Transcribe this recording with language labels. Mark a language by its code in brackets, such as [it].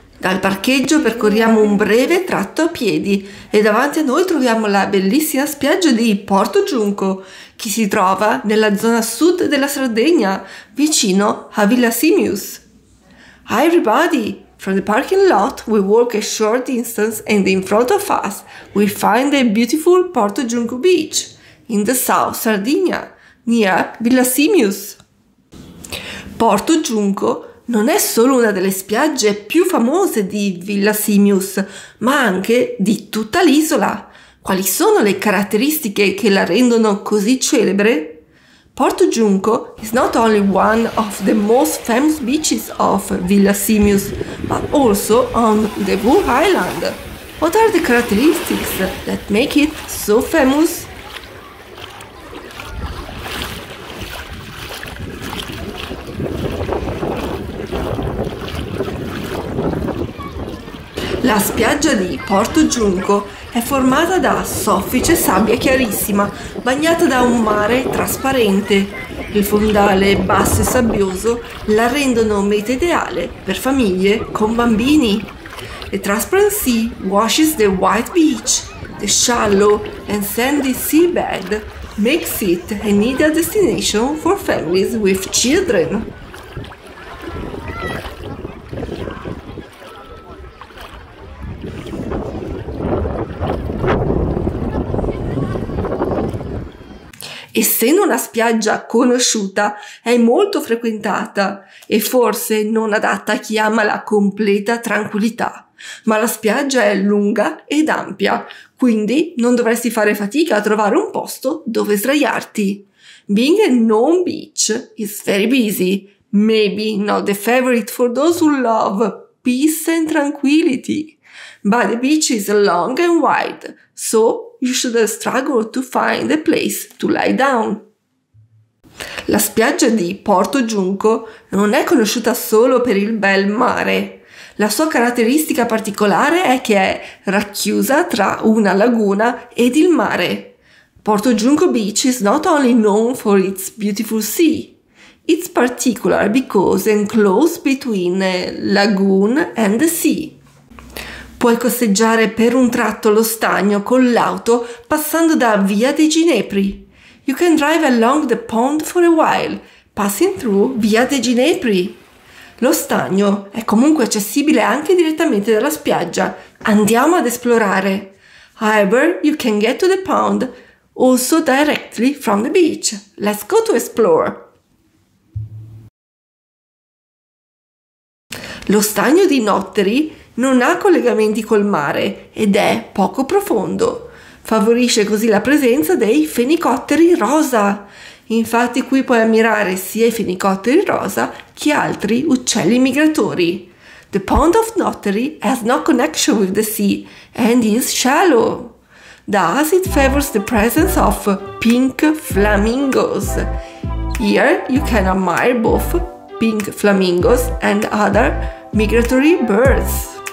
[it] Dal parcheggio percorriamo un breve tratto a piedi e davanti a noi troviamo la bellissima spiaggia di Porto Giunco, che si trova nella zona sud della Sardegna, vicino a Villasimius. [en] Hi everybody! From the parking lot, we walk a short distance and in front of us, we find the beautiful Porto Giunco beach in the south Sardinia, near Villasimius. [it] Porto Giunco non è solo una delle spiagge più famose di Villasimius, ma anche di tutta l'isola. Quali sono le caratteristiche che la rendono così celebre? [en] Porto Giunco is not only one of the most famous beaches of Villasimius, but also on the whole island. What are the characteristics that make it so famous? [it] La spiaggia di Porto Giunco è formata da soffice sabbia chiarissima, bagnata da un mare trasparente. Il fondale basso e sabbioso la rendono meta ideale per famiglie con bambini. [en] The transparent sea washes the white beach. The shallow and sandy seabed makes it an ideal destination for families with children. [it] Essendo una spiaggia conosciuta, è molto frequentata e forse non adatta a chi ama la completa tranquillità. Ma la spiaggia è lunga ed ampia, quindi non dovresti fare fatica a trovare un posto dove sdraiarti. [en] Being a known beach is very busy, maybe not the favorite for those who love peace and tranquility. But the beach is long and wide, so you should struggle to find a place to lie down. [it] La spiaggia di Porto Giunco non è conosciuta solo per il bel mare. La sua caratteristica particolare è che è racchiusa tra una laguna ed il mare. [en] Porto Giunco Beach is not only known for its beautiful sea. It's particular because enclosed between a lagoon and the sea. [it] Puoi costeggiare per un tratto lo stagno con l'auto passando da Via dei Ginepri. [en] You can drive along the pond for a while, passing through Via dei Ginepri. [it] Lo stagno è comunque accessibile anche direttamente dalla spiaggia. Andiamo ad esplorare. [en] However, you can get to the pond also directly from the beach. Let's go to explore. [it] Lo stagno di Notteri non ha collegamenti col mare ed è poco profondo. Favorisce così la presenza dei fenicotteri rosa. Infatti qui puoi ammirare sia i fenicotteri rosa che altri uccelli migratori. [en] The pond of Notteri has no connection with the sea and is shallow. Thus it favors the presence of pink flamingos. Here you can admire both pink flamingos and other migratory birds.